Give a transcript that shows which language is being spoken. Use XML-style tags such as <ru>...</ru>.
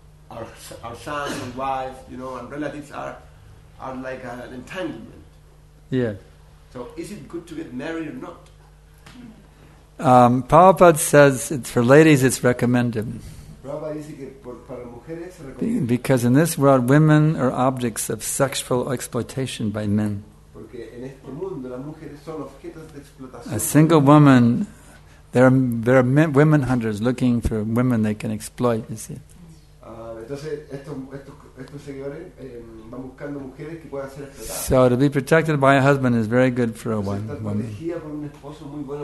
<en>our sons and wives, you know, and relatives are like an entanglement. Yeah. So is it good to get married or not? Prabhupada says it's for ladies, it's recommended.</en> <es>Prabhupada dice que para mujeres se recomienda.</es> <en>Because in this world, women are objects of sexual exploitation by men.</en> <es>Porque en este mundo, las mujeres son objetos de explotación.</es> <en>A single woman, there are men, women hunters looking for women they can exploit, you see. So to be protected by a husband is very good for a woman.</en>